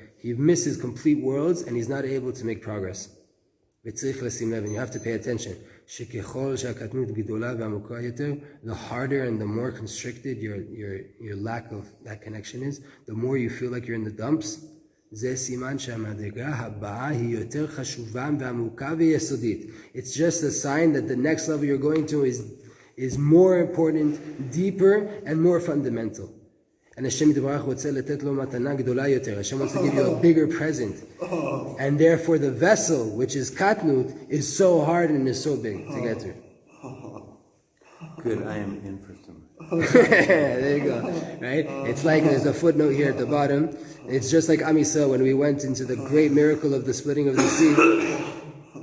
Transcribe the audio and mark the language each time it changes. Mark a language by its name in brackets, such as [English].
[English] He misses complete worlds and he's not able to make progress. [Hebrew] וצריך לשים לב, [English] and you have to pay attention, [Hebrew] שככל שהקטנות גדולה ועמוקה יותר, [English] the harder and the more constricted your lack of that connection is, the more you feel like you're in the dumps, [Hebrew] זה סימן שהמדרגה הבאה היא יותר חשובה ועמוקה ויסודית. [English] It's just a sign that the next level you're going to is more important, deeper, and more fundamental. [Hebrew] And Hashem Yitbarach רוצה לתת לו מתנה גדולה יותר. [English] Hashem wants to give you a bigger present. And therefore the vessel, which is katnut, is so hard and is so big to get through. Good, I am in for some. There you go. Right? It's like there's a footnote here at the bottom. It's just like Am Yisrael when we went into the great miracle of the splitting of the sea.